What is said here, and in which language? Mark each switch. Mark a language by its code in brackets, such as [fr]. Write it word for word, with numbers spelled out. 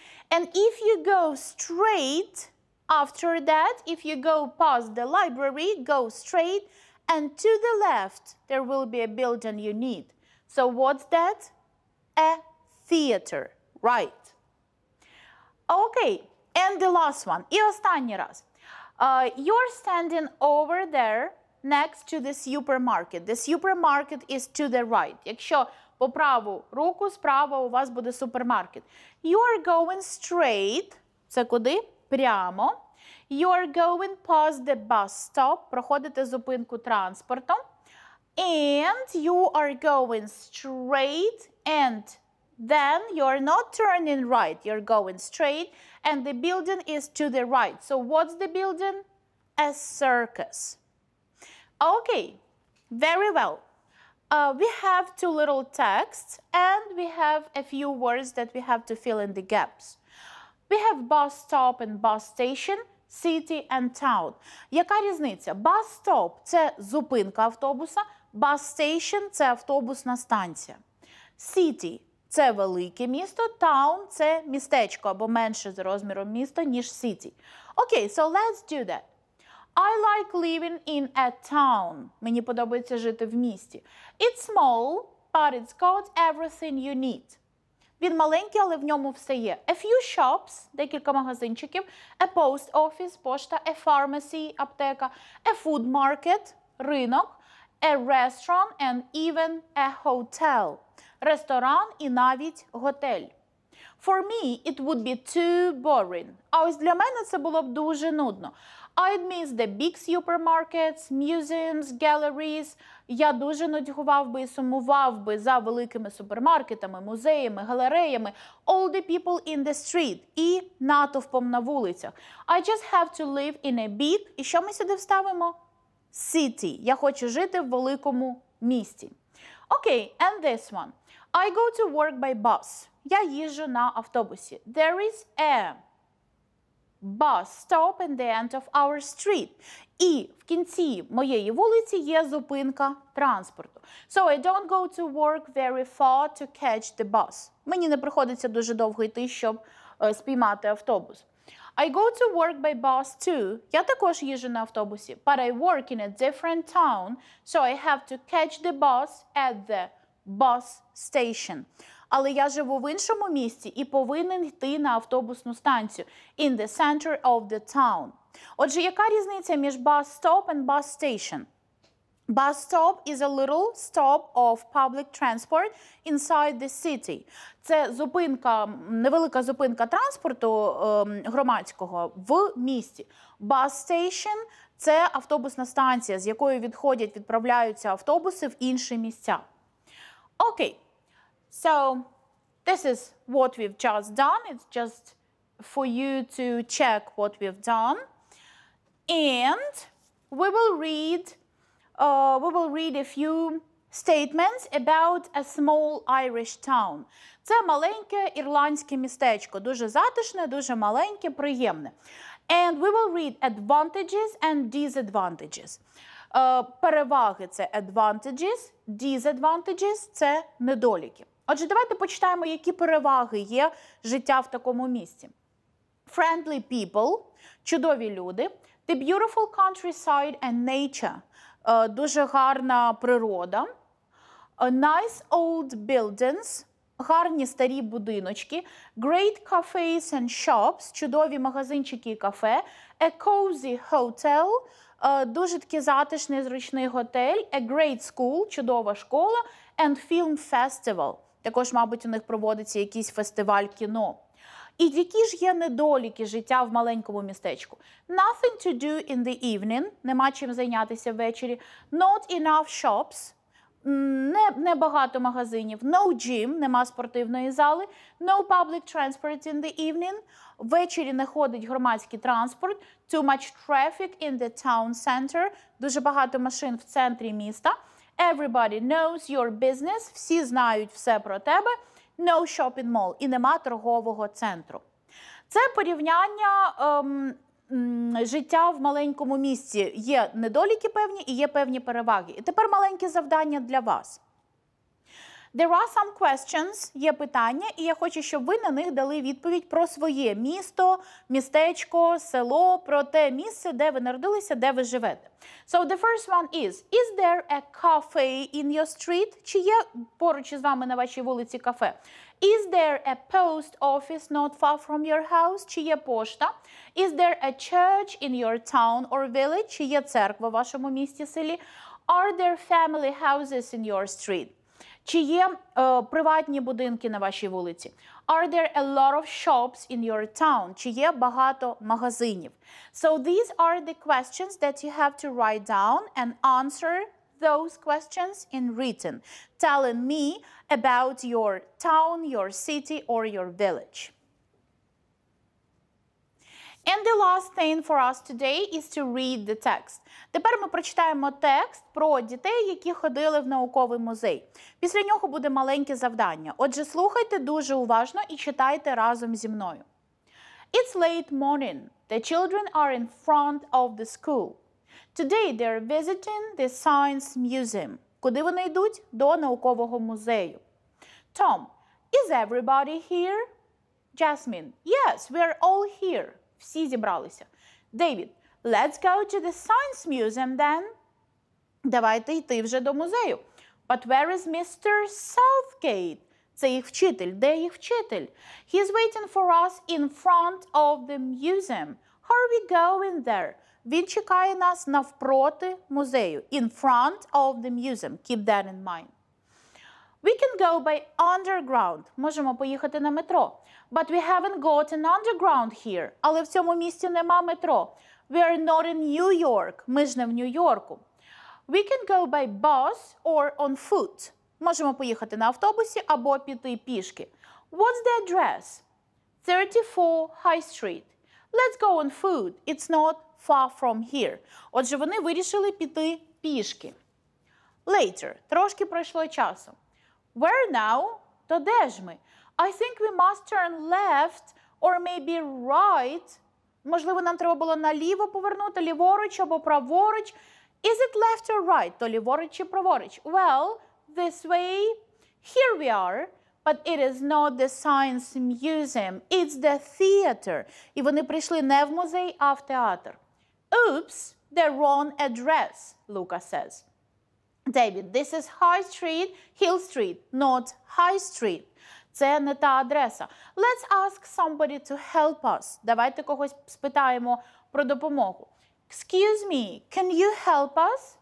[en] And if you go straight after that, if you go past the library, go straight, and to the left, there will be a building you need. So what's that? A theater, right? Okay, and the last one. [uk] І останній раз. [en] Uh, you're standing over there next to the supermarket. The supermarket is to the right. [uk] Якщо по праву руку, справа у вас буде супермаркет. [en] You are going straight. [uk] Це куди? Прямо. [en] You are going past the bus stop. [uk] Проходите зупинку транспорту. [en] And you are going straight and then you are not turning right. You're going straight and the building is to the right. So what's the building? A circus. Okay, very well. Uh, we have two little texts and we have a few words that we have to fill in the gaps. We have bus stop and bus station. City and town. [uk] Яка різниця? Bus stop – це зупинка автобуса, bus station – це автобусна станція. City – це велике місто, town – це містечко, або менше за розміром місто, ніж city. [en] Окей, okay, so let's do that. I like living in a town. [uk] Мені подобається жити в місті. [en] It's small, but it's got everything you need. [uk] Він маленький, але в ньому все є. [en] A few shops, [uk] декілька магазинчиків, [en] a post office, пошта, a pharmacy, аптека, a food market, ринок, a restaurant and even a hotel. [uk] Ресторан і навіть готель. [en] For me, it would be too boring. [uk] А ось для мене це було б дуже нудно. [en] I'd miss the big supermarkets, museums, galleries. [uk] Я дуже нудьгував би і сумував би за великими супермаркетами, музеями, галереями. [en] All the people in the street. [uk] І натовпом на вулицях. [en] I just have to live in a big... [uk] І що ми сюди вставимо? City. Я хочу жити в великому місті. [en] Окей, okay, and this one. I go to work by bus. [uk] Я їжджу на автобусі. [en] There is a... bus stop at the end of our street. [uk] І в кінці моєї вулиці є зупинка транспорту. [en] So I don't go to work very far to catch the bus. [uk] Мені не приходиться дуже довго йти, щоб е, спіймати автобус. [en] I go to work by bus too. [uk] Я також їжджу на автобусі. [en] But I work in a different town, so I have to catch the bus at the bus station. [uk] Але я живу в іншому місті і повинен йти на автобусну станцію. [en] In the center of the town. [uk] Отже, яка різниця між [en] bus stop and bus station? Bus stop is a little stop of public transport inside the city. [uk] Це зупинка, невелика зупинка транспорту ем, громадського в місті. Bus station – це автобусна станція, з якої відходять, відправляються автобуси в інші місця. Окей. [en] So, this is what we've just done. It's just for you to check what we've done. And we will read, uh, we will read a few statements about a small Irish town. [uk] Це маленьке ірландське містечко. Дуже затишне, дуже маленьке, приємне. [en] And we will read advantages and disadvantages. [uk] Uh, переваги – це advantages, disadvantages – це недоліки. Отже, давайте почитаємо, які переваги є життя в такому місці. [en] Friendly people – [uk] чудові люди. [en] The beautiful countryside and nature uh, – [uk] дуже гарна природа. [en] Uh, nice old buildings – [uk] гарні старі будиночки. [en] Great cafes and shops – [uk] чудові магазинчики і кафе. [en] A cozy hotel – Uh, [uk] дуже такий затишний, зручний готель, [en] a great school, [uk] чудова школа, [en] and film festival. [uk] Також, мабуть, у них проводиться якийсь фестиваль кіно. І які ж є недоліки життя в маленькому містечку? [en] Nothing to do in the evening, [uk] нема чим зайнятися ввечері, [en] not enough shops, [uk] не, не багато магазинів, [en] no gym, [uk] нема спортивної зали, [en] no public transport in the evening, [uk] ввечері не ходить громадський транспорт, [en] too much traffic in the town center, [uk] дуже багато машин в центрі міста, [en] everybody knows your business, [uk] всі знають все про тебе, [en] no shopping mall [uk] і нема торгового центру. Це порівняння... Ем, життя в маленькому місті. Є недоліки певні і є певні переваги. І тепер маленьке завдання для вас. [en] There are some questions, [uk] є питання, і я хочу, щоб ви на них дали відповідь про своє місто, містечко, село, про те місце, де ви народилися, де ви живете. [en] So the first one is, is there a cafe in your street? [uk] Чи є поруч із вами на вашій вулиці кафе? [en] Is there a post office not far from your house? [uk] Чи є пошта? [en] Is there a church in your town or village? [uk] Чи є церква в вашому місті, селі? [en] Are there family houses in your street? [uk] Чи є е, приватні будинки на вашій вулиці? [en] Are there a lot of shops in your town? [uk] Чи є багато магазинів? [en] So these are the questions that you have to write down and answer those questions in written, telling me about your town, your city, or your village. And the last thing for us today is to read the text. [uk] Тепер ми прочитаємо текст про дітей, які ходили в науковий музей. Після нього буде маленьке завдання. Отже, слухайте дуже уважно і читайте разом зі мною. [en] It's late morning. The children are in front of the school. Today they are visiting the Science Museum. [uk] Куди вони йдуть? До наукового музею. Tom, [en] is everybody here? Jasmine, yes, we are all here. [uk] Всі зібралися. [en] David, let's go to the Science Museum then. [uk] Давайте йти вже до музею. [en] But where is mister Southgate? [uk] Це їх вчитель. Де їх вчитель? [en] He's waiting for us in front of the museum. How are we going there? [uk] Він чекає нас навпроти музею. [en] In front of the museum. Keep that in mind. We can go by underground. [uk] Можемо поїхати на метро. [en] But we haven't got an underground here. [uk] Але в цьому місті нема метро. [en] We are not in New York. [uk] Ми ж не в Нью-Йорку. [en] We can go by bus or on foot. [uk] Можемо поїхати на автобусі або піти пішки. [en] What's the address? thirty-four High Street. Let's go on foot. It's not far from here. [uk] Отже, вони вирішили піти пішки. Later. Трошки пройшло часу. [en] Where now? [uk] То де ж ми? [en] I think we must turn left or maybe right. [uk] Можливо, нам треба було наліво повернути, ліворуч або праворуч. [en] Is it left or right? [uk] То ліворуч чи праворуч? [en] Well, this way. Here we are. But it is not the Science Museum. It's the theater. [uk] І вони прийшли не в музей, а в театр. [en] Oops, the wrong address, Luca says. David, this is High Street, Hill Street, not High Street. [uk] Це не та адреса. [en] Let's ask somebody to help us. [uk] Давайте когось спитаємо про допомогу. [en] Excuse me, can you help us?